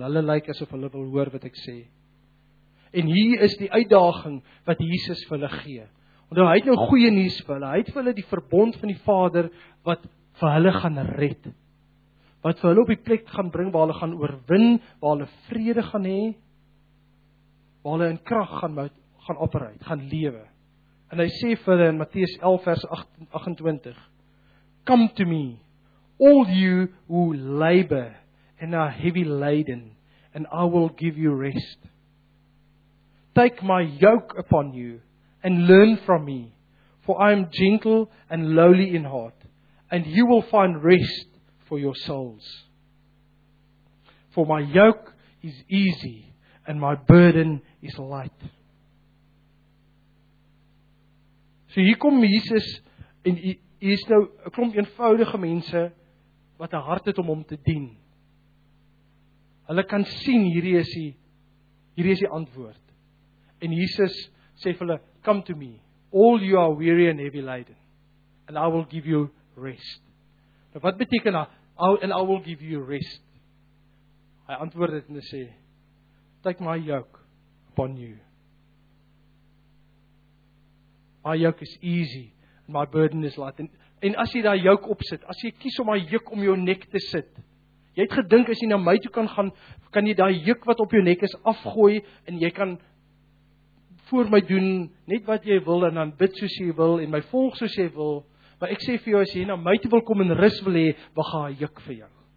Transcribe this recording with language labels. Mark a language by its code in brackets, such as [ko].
[af] Hulle lyk asof hulle wil hoor wat ek sê." En hier is die uitdaging wat Jesus vir hulle gee. Onthou, hy het nou goeie nuus vir hulle. Hy het vir hulle die verbond van die Vader wat vir hulle gaan red. Wat vir hulle op die plek gaan bring waar hulle gaan oorwin, waar hulle vrede gaan hê, waar hulle in krag gaan [en] operate, [af] gaan lewe. [en] En hy sê vir hulle in Matteus 11 vers 28: "Come to me, all you who labor and are heavy laden, and I will give you rest. Take my yoke upon you and learn from me, for I am gentle and lowly in heart, and you will find rest for your souls. For my yoke is easy and my burden is light." [af] So hier kom Jesus en hier is nou 'n klomp eenvoudige mense wat 'n hart het om hom te dien. Hulle kan sien hierdie is die antwoord. En Jesus sê vir hulle, [en] "Come to me, all you are weary and heavy laden, and I will give you rest." [af] Nou wat beteken dat, [en] "and I will give you rest"? [af] Hy antwoord dit en sê, [en] "Take my yoke upon you. My yoke is easy, and my burden is light." [af] En as jy daai [en] yoke [af] opsit, as jy kies om daai yoke om jou nek te sit, jy het gedink as jy na my toe kan gaan, kan jy daai yoke wat op jou nek is afgooi, en jy kan voor my doen net wat jy wil en dan bid soos jy wil en my volg soos jy wil. Maar ek sê vir jou, as jy na my toe wil kom en rus wil hê, wag haar juk vir jou.